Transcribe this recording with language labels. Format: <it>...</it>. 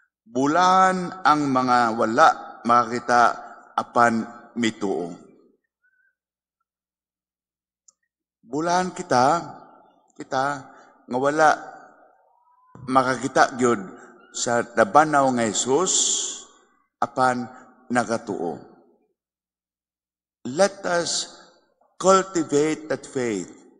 <ceb>Bulan ang mga wala makakita apan mituo. Bulan kita nga wala makakita gyud sa labanaw nga Jesus apan nagatuo.</ceb> <en>Let us cultivate that faith.</en>